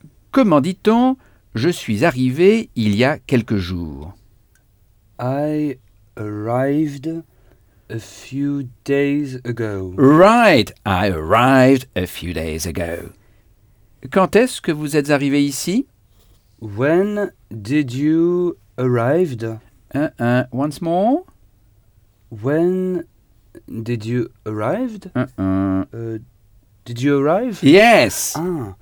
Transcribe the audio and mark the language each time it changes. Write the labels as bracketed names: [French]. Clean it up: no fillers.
[French] Comment dit-on « Je suis arrivé il y a quelques jours » ? [English] I arrived a few days ago. Right, I arrived a few days ago. [French] Quand est-ce que vous êtes arrivé ici ? [English] When did you arrive ? Once more. When did you arrive ? Did you arrive? Yes. Ah.